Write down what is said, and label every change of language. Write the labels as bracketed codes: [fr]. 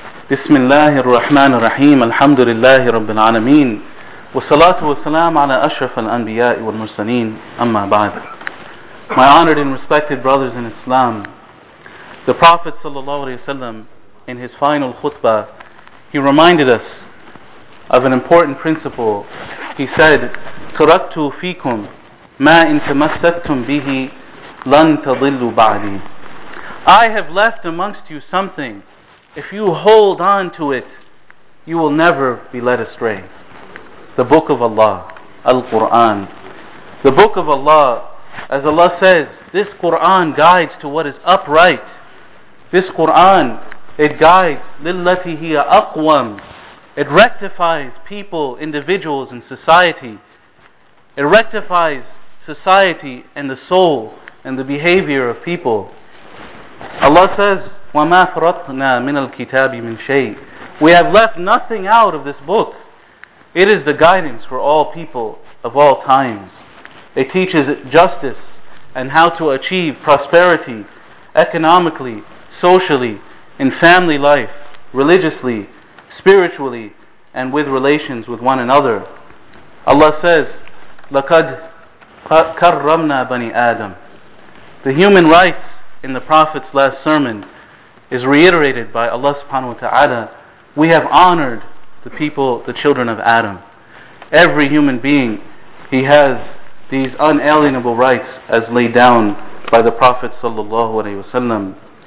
[ar] بسم الله الرحمن الرحيم الحمد لله رب العالمين والصلاة والسلام على أشرف الأنبياء والمرسلين أما بعد. [en] My honored and respected brothers in Islam, the Prophet sallallahu alaihi wasallam, in his final khutbah, he reminded us of an important principle. He said, [ar] تركتوا فيكم ما إن تمسكتم به لن تضلوا بعدي. [en] I have left amongst you something. If you hold on to it, you will never be led astray. The Book of Allah, Al-Qur'an. The Book of Allah, as Allah says, this Qur'an guides to what is upright. This Qur'an, it guides [ar] لِلَّتِي هِيَ أَقْوَمْ. [en] It rectifies people, individuals, and society. It rectifies society and the soul and the behavior of people. Allah says, [ar] وَمَا فَرَطْنَا مِنَ الْكِتَابِ مِنْ شَيْءٍ. [en] We have left nothing out of this book. It is the guidance for all people of all times. It teaches justice and how to achieve prosperity economically, socially, in family life, religiously, spiritually, and with relations with one another. Allah says, [ar] لَقَدْ كَرَّمْنَا بَنِي آدَمْ. [en] The human rights in the Prophet's last sermon is reiterated by Allah subhanahu wa ta'ala, we have honored the people, the children of Adam. Every human being, he has these unalienable rights as laid down by the Prophet sallallahu alaihi wasallam.